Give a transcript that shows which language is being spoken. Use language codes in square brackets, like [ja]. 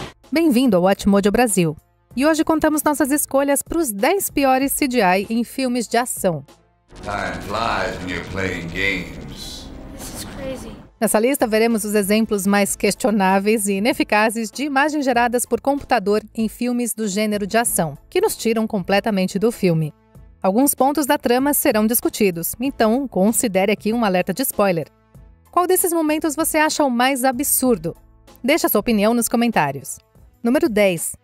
[pt] Bem-vindo ao Watchmojo Brasil. E hoje contamos nossas escolhas para os 10 piores CGI em filmes de ação. [en] Time flies when you're playing games. This is crazy. [pt] Nessa lista, veremos os exemplos mais questionáveis e ineficazes de imagens geradas por computador em filmes do gênero de ação, que nos tiram completamente do filme. Alguns pontos da trama serão discutidos, então considere aqui um alerta de spoiler. Qual desses momentos você acha o mais absurdo? Deixa sua opinião nos comentários. Número 10.